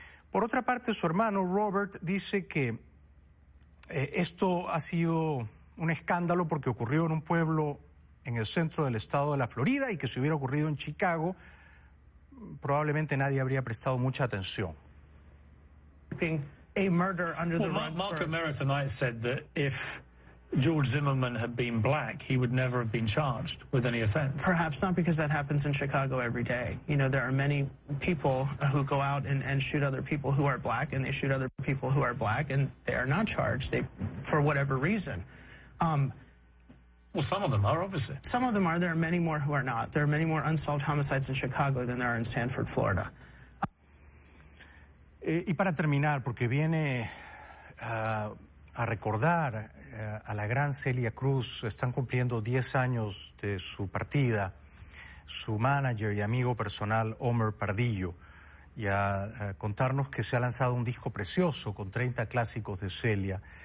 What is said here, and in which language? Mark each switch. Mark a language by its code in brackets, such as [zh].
[es] Por otra parte, su hermano Robert dice que esto ha sido un escándalo porque ocurrió en un pueblo en el centro del estado de la Florida, y que si hubiera ocurrido en Chicago, probablemente nadie habría prestado mucha atención. [en] A murder under the rug. Mark Merritt tonight said that if George Zimmerman had been black, he would never have been charged with any offense. Perhaps not, because that happens in Chicago every day. You know, there are many people who go out and shoot other people who are black, and they shoot other people who are black, and they are not charged, they, for whatever reason. Well, some of them are, obviously. Some of them are. There are many more who are not. There are many more unsolved homicides in Chicago than there are in Sanford, Florida. [es] Y para terminar, porque viene a recordar a la gran Celia Cruz, están cumpliendo 10 años de su partida, su manager y amigo personal, Omer Pardillo, y a contarnos que se ha lanzado un disco precioso con 30 clásicos de Celia.